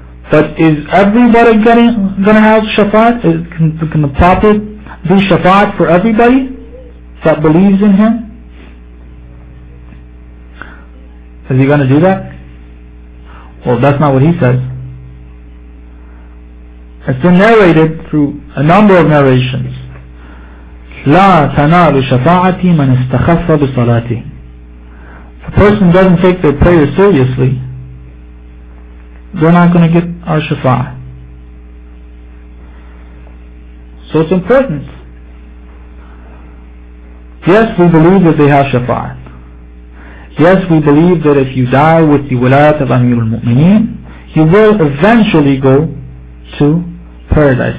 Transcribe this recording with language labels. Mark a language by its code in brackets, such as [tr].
[en] But is everybody gonna have shafa'at? Can the Prophet be shafa'at for everybody that believes in him? Is he gonna do that? Well, that's not what he says. It's been narrated through a number of narrations. [ar] لا تنال شفاعتي من استخف بصلاتي. [en] If a person doesn't take their prayer seriously, they're not going to get our shafa'ah. So it's important. Yes, we believe that they have shafa'ah. Yes, we believe that if you die with the wilayat of Amir al-Mu'mineen, you will eventually go to paradise.